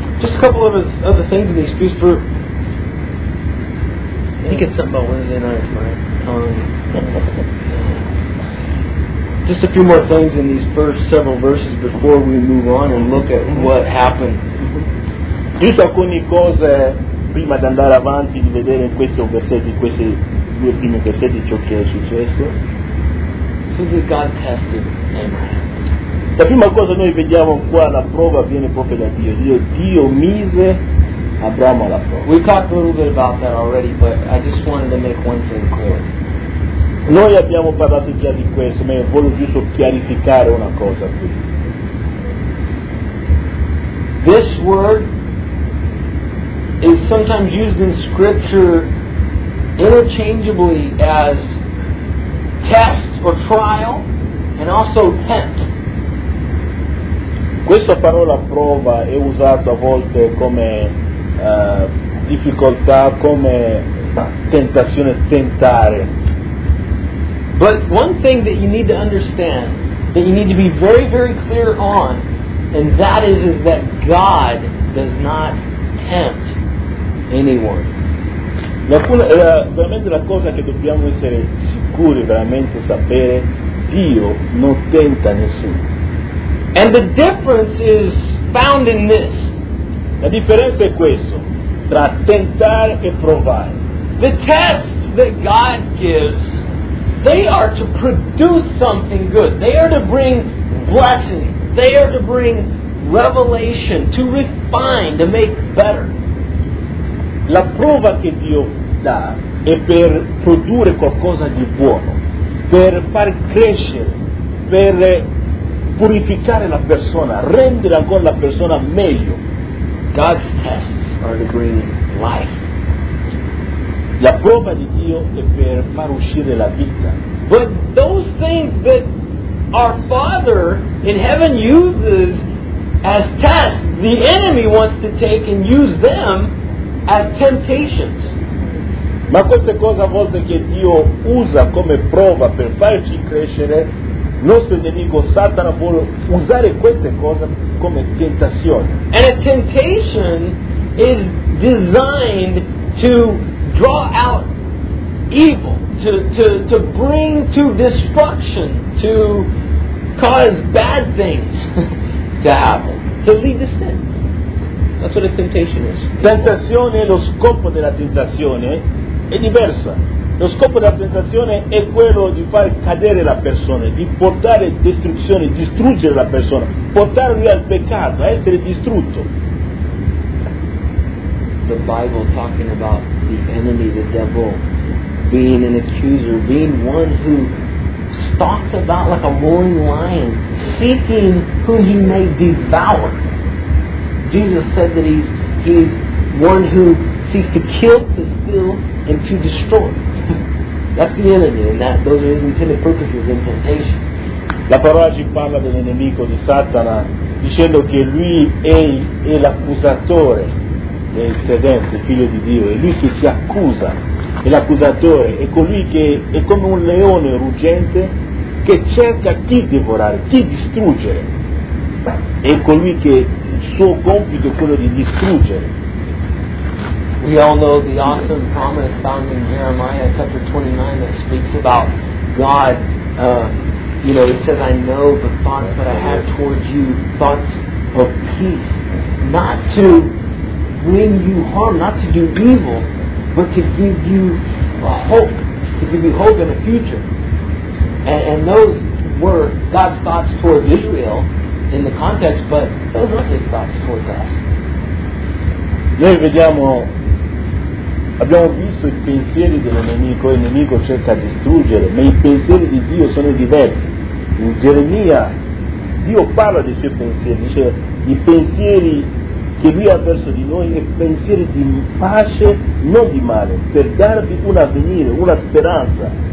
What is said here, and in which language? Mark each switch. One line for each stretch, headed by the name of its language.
English: Just a couple of other things in the excuse group. I think it's about Wednesday night, it's my tongue. Just a few more things in these first several verses before we move on and look at what happened.
Italian: Giusto alcune cose prima di andare avanti di vedere in questi versetti, questi due primi versetti ciò che è successo.
English: This is that God tested Abraham.
Italian: La prima cosa noi vediamo qua, la prova viene proprio da Dio. Dio mise Abramo alla prova.
English: We talked a little bit about that already, but I just wanted to make one thing clear.
Italian: Noi abbiamo parlato già di questo, ma voglio giusto chiarificare una cosa qui.
English: This word is sometimes used in scripture interchangeably as test or trial and also tempt.
Italian: Questa parola prova è usata a volte come difficoltà, come tentazione, tentare.
English: But one thing that you need to understand, that you need to be very, very clear on, and that is that God does not tempt anyone.
Italian: Veramente la cosa che dobbiamo essere sicuri, veramente sapere, Dio non tenta nessuno.
English: And the difference is found in this.
Italian: La differenza è questo, tra tentare e provare.
English: The tests that God gives, they are to produce something good. They are to bring blessing. They are to bring revelation, to refine, to make better.
Italian: La prova che Dio dà è per produrre qualcosa di buono, per far crescere, per purificare la persona, rendere ancora la persona meglio.
English: God's tests are to bring life.
Italian: La prova di Dio è per far uscire la vita.
English: But those things that our Father in heaven uses as tests, the enemy wants to take and use them as temptations.
Italian: Ma queste cose a volte che Dio usa come prova per farci crescere, nostro nemico Satana vuole usare queste cose come tentazione.
English: And a temptation is designed to draw out evil, to bring to destruction, to cause bad things to happen, to lead to sin. That's what a temptation is.
Italian: Tentazione, lo scopo della tentazione è diversa. Lo scopo della tentazione è quello di far cadere la persona, di portare distruzione, distruggere la persona, portarlo al peccato, a essere distrutto.
English: The Bible talking about the enemy, the devil, being an accuser, being one who stalks about like a roaring lion, seeking whom he may devour. Jesus said that he's one who seeks to kill, to steal, and to destroy. That's the enemy, and that those are his intended purposes in temptation.
Italian: La parola ci parla dell'nemico di Satana, dicendo che lui è l'accusatore del credente, figlio di Dio, e lui che si accusa, è l'accusatore, è colui che è come un leone ruggente che cerca chi divorare, chi distruggere. È colui che il suo compito è quello di distruggere.
English: We all know the awesome promise found in Jeremiah chapter 29 that speaks about God. You know, it says, I know the thoughts that I have towards you, thoughts of peace, not to bring you harm, not to do evil, but to give you a hope, to give you hope in the future. And those were God's thoughts towards Israel in the context, but those aren't His thoughts towards us.
Italian: Noi vediamo, abbiamo visto i pensieri dell'nemico, il nemico cerca di distruggere, ma i pensieri di Dio sono diversi. In Geremia, Dio parla dei suoi pensieri, dice i pensieri che lui ha verso di noi è pensieri di pace, non di male, per darvi un avvenire, una speranza.